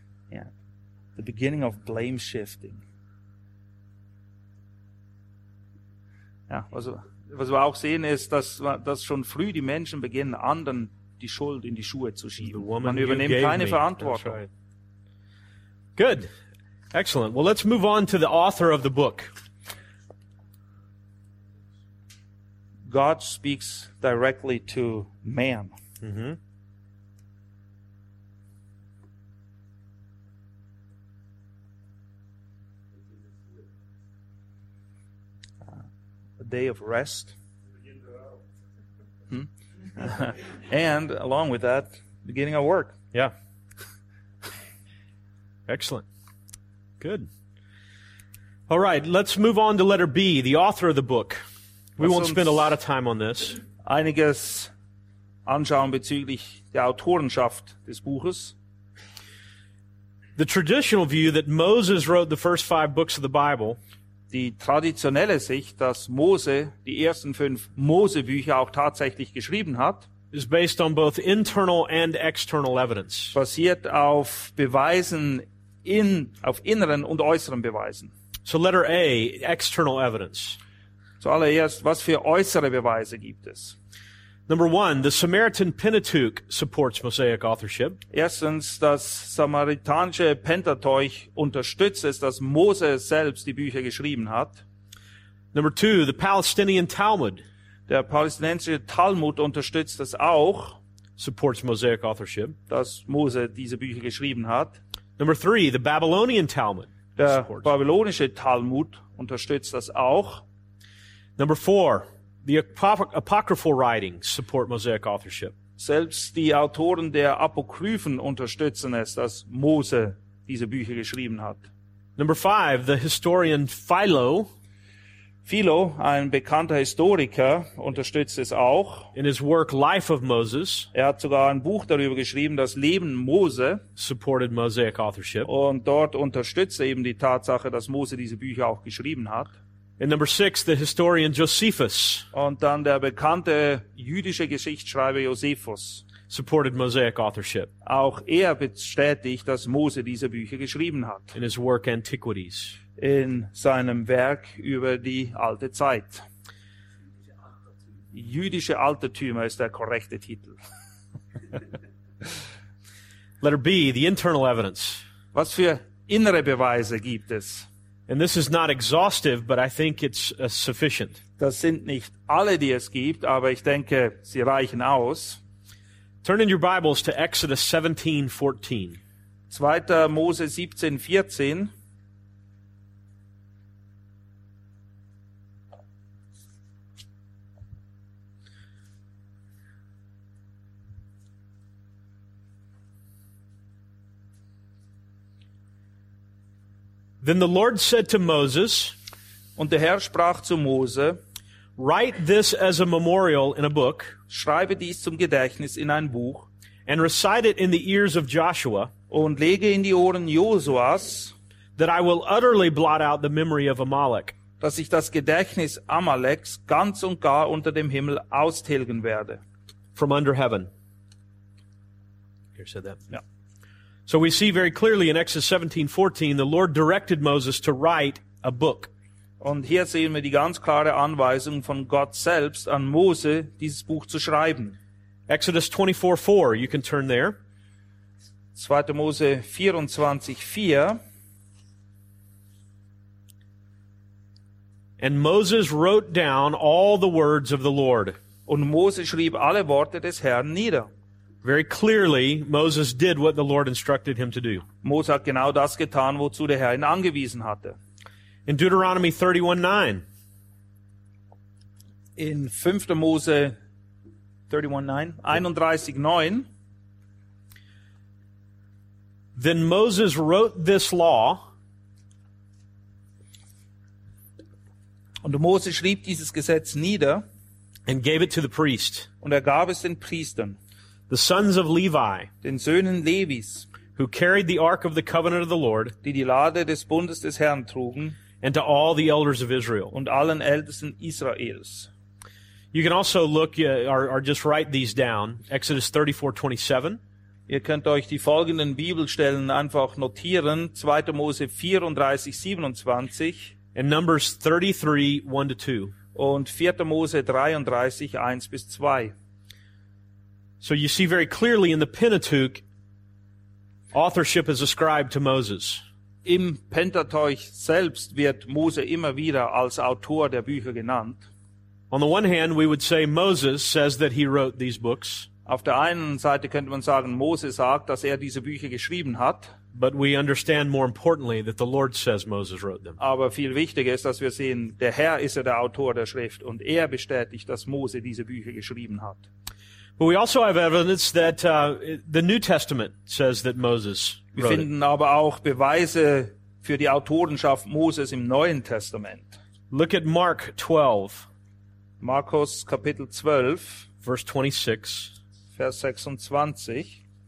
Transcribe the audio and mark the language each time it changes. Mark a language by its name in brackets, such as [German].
[English] Yeah. The beginning of blame shifting. [German] Ja, was wir auch sehen ist, dass schon früh die Menschen beginnen, anderen die Schuld in die Schuhe zu schieben. Man übernimmt keine Verantwortung. [English] Right. Good. Excellent. Well, let's move on to the author of the book. God speaks directly to man. Mm-hmm. Uh, a day of rest. And along with that, beginning of work. Yeah. Excellent. Good. All right, let's move on to letter B, the author of the book. We won't spend a lot of time on this. [German] Einiges anschauen bezüglich der Autorenschaft des Buches. [English] The traditional view that Moses wrote the first five books of the Bible. [German] Die traditionelle Sicht, dass Mose die ersten fünf Mosebücher auch tatsächlich geschrieben hat, [English] is based on both internal and external evidence. [German] Basiert auf Beweisen auf inneren und äußeren Beweisen. [English] So letter A, external evidence. [German] Zuallererst, was für äußere Beweise gibt es? [English] Number one, the Samaritan Pentateuch supports Mosaic authorship. [German] Erstens, das samaritanische Pentateuch unterstützt es, dass Mose selbst die Bücher geschrieben hat. [English] Number two, the Palestinian Talmud. [German] Der palästinensische Talmud unterstützt es auch. [English] Supports Mosaic authorship. [German] Dass Mose diese Bücher geschrieben hat. [English] Number three, the Babylonian Talmud. [German] Der babylonische Talmud unterstützt das auch. [English] Number four, the apocryphal writings support Mosaic authorship. [German] Selbst die Autoren der Apokryphen unterstützen es, dass Mose diese Bücher geschrieben hat. [English] Number five, the historian Philo. [German] Philo, ein bekannter Historiker, unterstützt es auch. [English] In his work Life of Moses. [German] Er hat sogar ein Buch darüber geschrieben, das Leben Mose. [English] Supported Mosaic authorship. [German] Und dort unterstützt er eben die Tatsache, dass Mose diese Bücher auch geschrieben hat. [English] And number six, the historian Josephus. [German] Und dann der bekannte jüdische Geschichtsschreiber Josephus. [English] Supported Mosaic authorship. [German] Auch er bestätigt, dass Mose diese Bücher geschrieben hat. [English] In his work Antiquities. [German] In seinem Werk über die alte Zeit. Jüdische Altertümer ist der korrekte Titel. [English] Letter B, the internal evidence. [German] Was für innere Beweise gibt es? [English] And this is not exhaustive, but I think it's sufficient. [German] Das sind nicht alle, die es gibt, aber ich denke, sie reichen aus. [English] Turn in your Bibles to Exodus 17:14. [German] 2. Mose 17:14. [English] Then the Lord said to Moses, [German] und der Herr sprach zu Mose, [English] write this as a memorial in a book, [German] schreibe dies zum Gedächtnis in ein Buch, [English] and recite it in the ears of Joshua, [German] und lege in die Ohren Josuas, [English] that I will utterly blot out the memory of Amalek, [German] dass ich das Gedächtnis Amaleks ganz und gar unter dem Himmel austilgen werde, [English] from under heaven. Here said that. Yeah. So we see very clearly in Exodus 17:14, the Lord directed Moses to write a book. [German] Und hier sehen wir die ganz klare Anweisung von Gott selbst an Mose, dieses Buch zu schreiben. [English] Exodus 24:4, you can turn there. [German] 2. Mose 24:4. [English] And Moses wrote down all the words of the Lord. [German] Und Mose schrieb alle Worte des Herrn nieder. [English] Very clearly, Moses did what the Lord instructed him to do. [German] Mose hat genau das getan, wozu der Herr ihn angewiesen hatte. [English] In Deuteronomy 31:9. [German] In 5. Mose 31:9. [English] Then Moses wrote this law. [German] Und Mose schrieb dieses Gesetz nieder. [English] And gave it to the priest. [German] Und gab es den Priestern. [English] The sons of Levi, [German] den Söhnen Levis, [English] who carried the ark of the covenant of the Lord, [German] die Lade des Bundes des Herrn trugen, [English] and to all the elders of Israel, [German] und allen Ältesten Israels. [English] You can also look or just write these down. Exodus 34:27. [German] Ihr könnt euch die folgenden Bibelstellen einfach notieren. 2. Mose 34:27. [English] And Numbers 33:1-2. [German] Und 4. Mose 33:1-2. [English] So you see very clearly in the Pentateuch, authorship is ascribed to Moses. [German] Im Pentateuch selbst wird Mose immer wieder als Autor der Bücher genannt. [English] On the one hand, we would say Moses says that he wrote these books. [German] Auf der einen Seite könnte man sagen, Mose sagt, dass diese Bücher geschrieben hat. [English] But we understand more importantly that the Lord says Moses wrote them. [German] Aber viel wichtiger ist, dass wir sehen, der Herr ist ja der Autor der Schrift und er bestätigt, dass Mose diese Bücher geschrieben hat. [English] But we also have evidence that the New Testament says that Moses wrote. [German] Wir finden aber auch Beweise für die Autorenschaft Moses im Neuen Testament. [English] Look at Mark 12. [German] Markus Kapitel 12, [English] Verse 26. [German] Vers 26.